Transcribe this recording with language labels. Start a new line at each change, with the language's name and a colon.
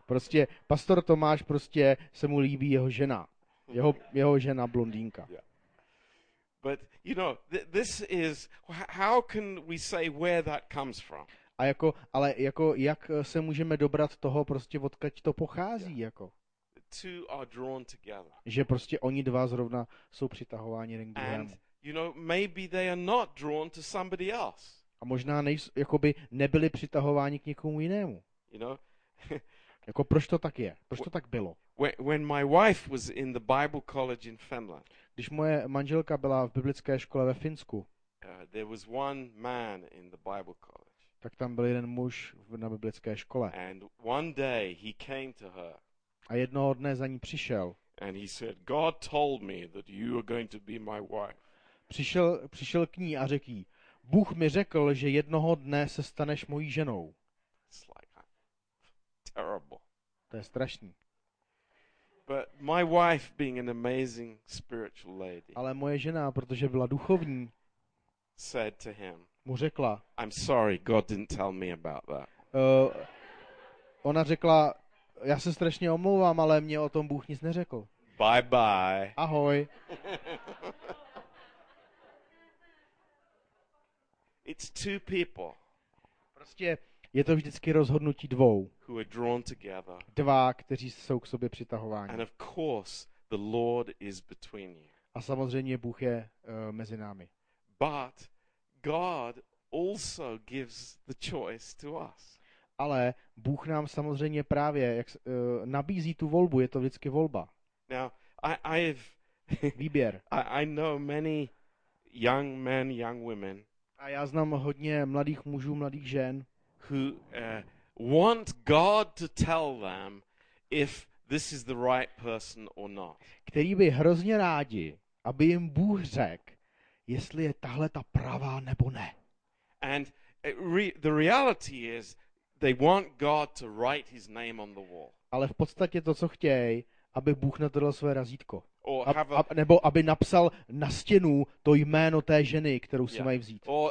Czech: Prostě pastor Tomáš prostě se mu líbí jeho žena. Jeho žena blondýnka.
English: But you know, this is how can we say where that comes from?
Czech: A jako ale jako jak se můžeme dobrat toho prostě odkud to pochází jako?
English: Two are drawn together.
Czech: Že prostě oni dva zrovna jsou přitahováni jeden k druhému.
English: And you know, maybe they are not drawn to somebody else.
Czech: A možná jakoby nebyli přitahováni k někomu jinému.
English: You know?
Czech: Jako proč to tak je? Proč to tak bylo?
English: When my wife was in the Bible college in Finland.
Czech: Když moje manželka byla v biblické škole ve Finsku.
English: There was one man in the Bible college.
Czech: Tak tam byl jeden muž na biblické škole.
English: And one day he came to her.
Czech: A jednoho dne za ní přišel.
English: And he said, God told me that you are going to be my wife.
Czech: Přišel k ní a řekl jí, Bůh mi řekl, že jednoho dne se staneš mojí ženou.
English: It's like terrible.
Czech: To je strašný.
English: But my wife being an amazing spiritual lady.
Czech: Ale moje žena, protože byla duchovní,
English: said to him.
Czech: Mu řekla:
English: "I'm sorry, God didn't tell me about that."
Czech: Ona řekla: "Já se strašně omlouvám, ale mě o tom Bůh nic neřekl."
English: Bye bye.
Czech: Ahoj.
English: It's two people.
Czech: Prostě je to vždycky rozhodnutí dvou.
English: Who are drawn together.
Czech: Dva, kteří jsou k sobě přitahováni.
English: And of course, the Lord is between you.
Czech: A samozřejmě Bůh je mezi námi.
English: But God also gives the choice to us.
Czech: Ale Bůh nám samozřejmě právě jak nabízí tu volbu, je to vždycky volba.
English: Now, I've
Czech: výběr.
English: I know many young men, young women.
Czech: A já znám hodně mladých mužů, mladých žen,
English: who want God to tell them if this is the right person or not.
Czech: Kteří by hrozně rádi, aby jim Bůh řekl, jestli je tahle ta pravá nebo ne.
English: And the reality is they want God to write his name on the wall.
Czech: Ale v podstatě to, co chtějí, aby Bůh natrhl své razítko. Nebo aby napsal na stěnu to jméno té ženy, kterou si mají vzít.